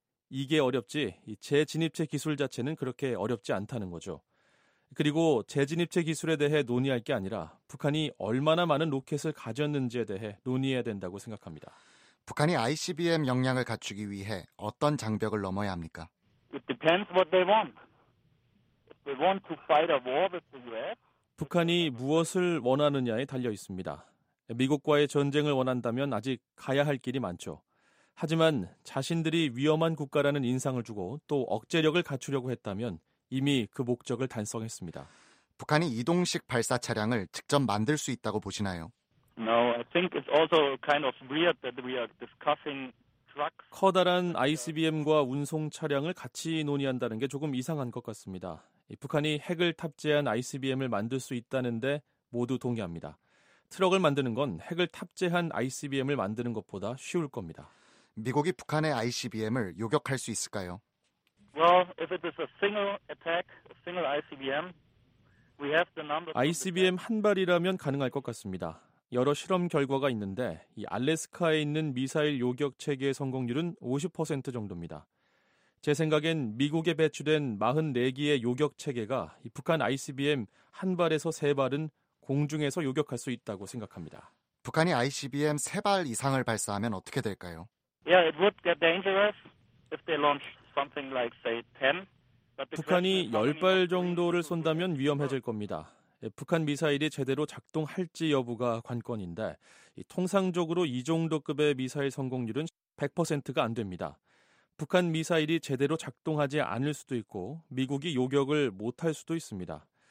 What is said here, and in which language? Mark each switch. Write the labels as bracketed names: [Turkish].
[Korean] 이게 어렵지 이 재진입체 기술 자체는 그렇게 어렵지 않다는 거죠. 그리고 재진입체 기술에 대해 논의할 게 아니라 북한이 얼마나 많은 로켓을 가졌는지에 대해 논의해야 된다고 생각합니다. 북한이 ICBM 역량을 갖추기 위해 어떤 장벽을 넘어야 합니까? [English] It depends what they want. They want to fight a war with the US. [Korean] 북한이 무엇을 원하느냐에 달려 있습니다. 미국과의 전쟁을 원한다면 아직 가야 할 길이 많죠. 하지만 자신들이 위험한 국가라는 인상을 주고 또 억제력을 갖추려고 했다면 이미 그 목적을 달성했습니다. 북한이 이동식 발사 차량을 직접 만들 수 있다고 보시나요? [English] No, I think it's also kind of weird that we are discussing trucks. [Korean] 커다란 ICBM과 운송 차량을 같이 논의한다는 게 조금 이상한 것 같습니다. 북한이 핵을 탑재한 ICBM을 만들 수 있다는데 모두 동의합니다. 트럭을 만드는 건 핵을 탑재한 ICBM을 만드는 것보다 쉬울 겁니다. 미국이 북한의 ICBM을 요격할 수 있을까요? [English] Well, if it is a single attack, a single ICBM, we have the number. [Korean] ICBM 한 발이라면 가능할 것 같습니다. 여러 실험 결과가 있는데 이 알래스카에 있는 미사일 요격 체계의 성공률은 50% 정도입니다. 제 생각엔 미국에 배출된 44기의 요격 체계가 이 북한 ICBM 한 발에서 세 발은 공중에서 요격할 수 있다고 생각합니다. 북한이 ICBM 세 발 이상을 발사하면 어떻게 될까요? [English] Yeah, it would get dangerous if they launch something like say 10. [Korean] 북한이 10발 정도를 쏜다면 위험해질 겁니다. 북한 미사일이 제대로 작동할지 여부가 관건인데 통상적으로 이 정도급의 미사일 성공률은 100%가 안 됩니다. 북한 미사일이 제대로 작동하지 않을 수도 있고 미국이 요격을 못할 수도 있습니다.